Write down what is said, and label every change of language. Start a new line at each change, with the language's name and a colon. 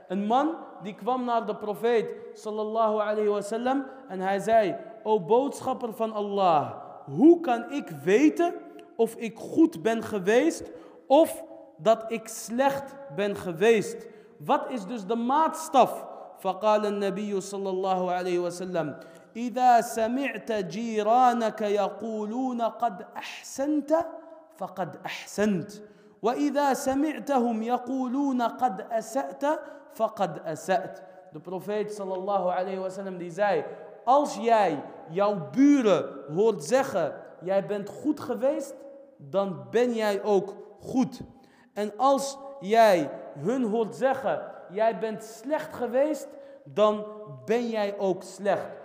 Dutch: Een man die kwam naar de profeet sallallahu alayhi wa sallam en hij zei: o boodschapper van Allah, hoe kan ik weten of ik goed ben geweest of dat ik slecht ben geweest? Wat is dus de maatstaf?
Arabic: فقال النبي صلى الله عليه وسلم إذا سمعت جيرانك يقولون قد أحسنت فقد أحسنت وإذا سمعتهم يقولون قد أسأت فقد أسأت.
Dutch: De profeet sallallahu alayhi wa sallam die zei: als jij jouw buren hoort zeggen jij bent goed geweest, dan ben jij ook goed. En als jij hun hoort zeggen jij bent slecht geweest, dan ben jij ook slecht.